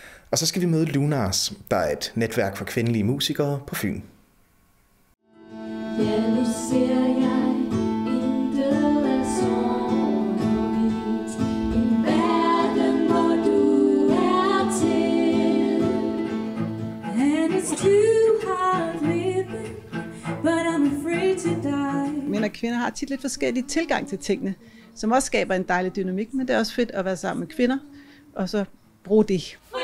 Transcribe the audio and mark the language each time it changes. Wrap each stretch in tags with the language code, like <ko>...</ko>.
<da>Og så skal vi møde Lunars, der er et netværk for kvindelige musikere på Fyn. Ja, nu ser jeg intet af sort og hvidt, en verden, hvor du er til.</da> <en>And it's too hard living, but I'm afraid to die.</en> <da>Mænd og kvinder har tit lidt forskellige tilgang til tingene, som også skaber en dejlig dynamik, men det er også fedt at være sammen med kvinder, og så bruge det.</da>